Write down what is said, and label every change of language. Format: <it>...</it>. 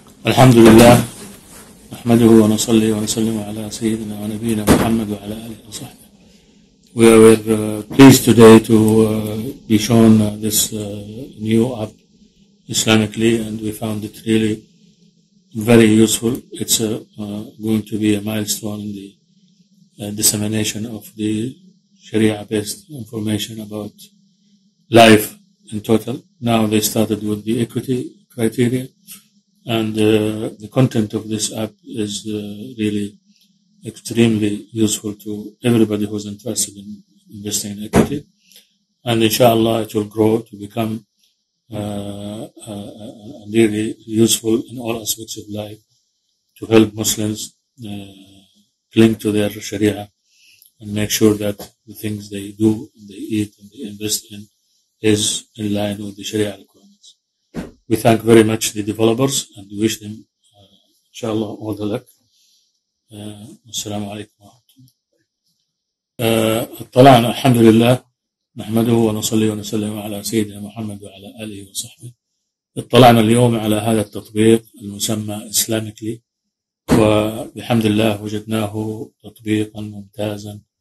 <ar>الحمد لله نحمده ونصلي ونسلم على سيدنا ونبينا محمد وعلى آله وصحبه.</ar> <en>We were pleased today to be shown this new app, Islamicly, and we found it really very useful. It's going to be a milestone in the dissemination of the Sharia-based information about life in total. Now they started with the equity criteria, and the content of this app is really extremely useful to everybody who's interested in investing in equity. And inshallah, it will grow to become really useful in all aspects of life to help Muslims cling to their Sharia and make sure that the things they do, they eat, and they invest in is in line with the Sharia requirements. We thank very much the developers and wish them, inshallah, all the luck.</en> <ar>السلام عليكم ورحمة الله. طلعنا الحمد لله نحمده ونصلي ونسلم على سيدنا محمد وعلى آله وصحبه. اطلعنا اليوم على هذا التطبيق المسمى Islamicly، وبحمد الله وجدناه تطبيقا ممتازا</ar>